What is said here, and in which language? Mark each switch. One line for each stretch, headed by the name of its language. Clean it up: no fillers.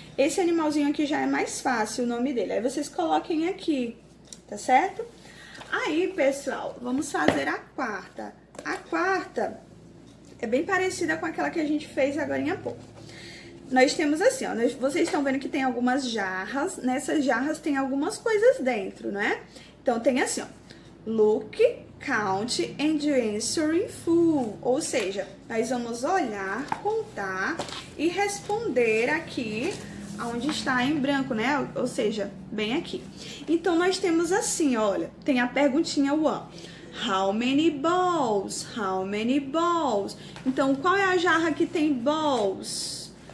Portuguese: Esse animalzinho aqui já é mais fácil o nome dele. Aí vocês coloquem aqui, tá certo? Aí, pessoal, vamos fazer a quarta. A quarta é bem parecida com aquela que a gente fez agora em pouco. Nós temos assim, ó. Vocês estão vendo que tem algumas jarras. Nessas jarras tem algumas coisas dentro, não é? Então, tem assim, ó.
English: Look, count and answer in full.
Portuguese: Ou seja, nós vamos olhar, contar e responder aqui onde está em branco, né? Ou seja, bem aqui. Então, nós temos assim, olha. Tem a perguntinha one.
English: How many balls? How many balls?
Portuguese: Então, qual é a jarra que tem balls?